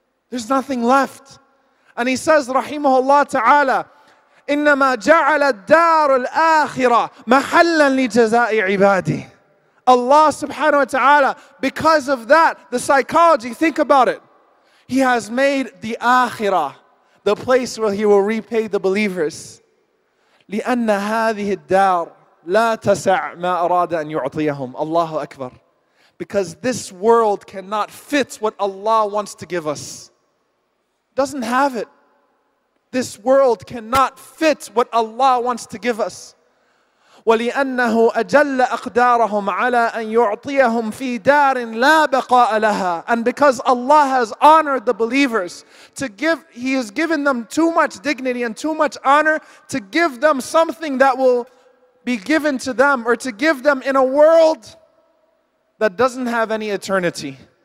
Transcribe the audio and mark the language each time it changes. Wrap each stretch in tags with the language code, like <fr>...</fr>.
<en>There's nothing left. And he says, rahimahullah ta'ala,</en> <ar>إِنَّمَا جَعَلَ الدَّارُ الْآخِرَةِ مَحَلًّا لِجَزَاءِ عِبَادِي</ar> <en>Allah subhanahu wa ta'ala, because of that, the psychology, think about it. He has made the akhirah, the place where He will repay the believers.</en> <ar>لِأَنَّ هَذِهِ الدَّارُ لَا تَسَعْ مَا أَرَادَ أَنْ يُعْطِيَهُمْ Allahu Akbar.</ar> <en>Because this world cannot fit what Allah wants to give us. Doesn't have it. This world cannot fit what Allah wants to give us.</en> <ar>وَلِأَنَّهُ أَجَلَّ أَقْدَارَهُمْ عَلَىٰ أَنْ يُعْطِيَهُمْ فِي دَارٍ لَا بَقَاءَ لَهَا</ar> <en>And because Allah has honored the believers, to give, He has given them too much dignity and too much honor to give them something that will be given to them, or to give them in a world that doesn't have any eternity.</en>